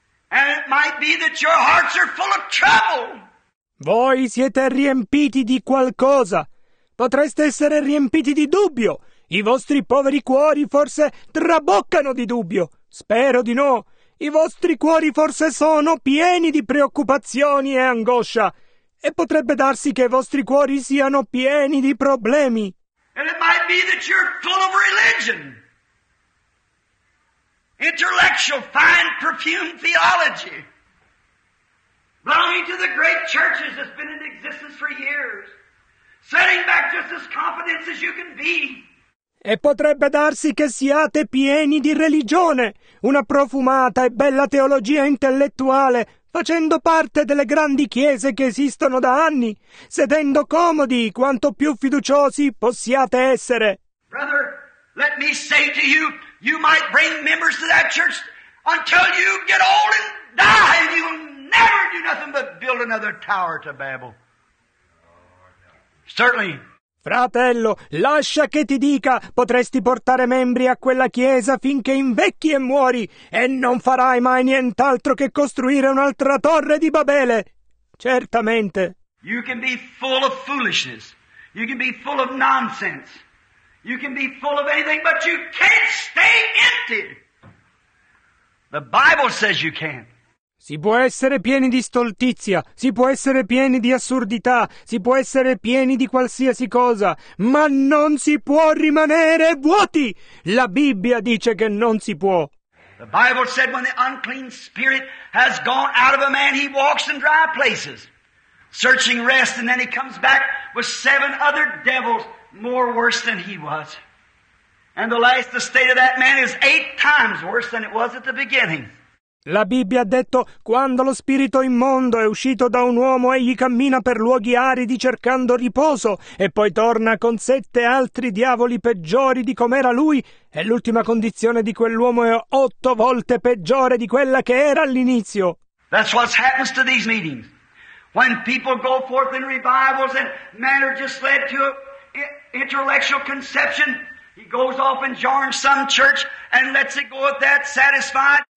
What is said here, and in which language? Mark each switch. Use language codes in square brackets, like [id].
[en] And it might be that your hearts are full of trouble. [it] Voi siete riempiti di qualcosa. Potreste essere riempiti di dubbio. I vostri poveri cuori forse traboccano di dubbio. Spero di no. I vostri cuori forse sono pieni di preoccupazioni e angoscia. e potrebbe darsi che i vostri cuori siano pieni di problemi. [en] And it might be that you're full of religion, intellectual, fine perfume theology, belonging to the great churches that's been in existence for years, setting back just as confident as you can be. [it] E potrebbe darsi che siate pieni di religione, una profumata e bella teologia intellettuale, facendo parte delle grandi chiese che esistono da anni, sedendo comodi quanto più fiduciosi possiate essere. [en] Brother, let me say to you, you might bring members to that church until you get old and die, and you'll never do nothing but build another tower to Babel. Certainly. [it] Fratello, lascia che ti dica, potresti portare membri a quella chiesa finché invecchi e muori, e non farai mai nient'altro che costruire un'altra torre di Babele. Certamente. [en] You can be full of foolishness. You can be full of nonsense. You can be full of anything, but you can't stay empty. The Bible says you can't. [it] Si può essere pieni di stoltizia, si può essere pieni di assurdità, si può essere pieni di qualsiasi cosa, ma non si può rimanere vuoti! La Bibbia dice che non si può. [en] The Bible said when the unclean spirit has gone out of a man, he walks in dry places, searching rest, and then he comes back with seven other devils more worse than he was. And the last state of that man is eight times worse than it was at the beginning. [it] La Bibbia ha detto, quando lo spirito immondo è uscito da un uomo, egli cammina per luoghi aridi cercando riposo, e poi torna con sette altri diavoli peggiori di com'era lui, e l'ultima condizione di quell'uomo è otto volte peggiore di quella che era all'inizio. [en] That's what happens to these meetings. When people go forth in revivals and men are just led to intellectual conception, he goes off and joins some church and lets it go at that satisfied.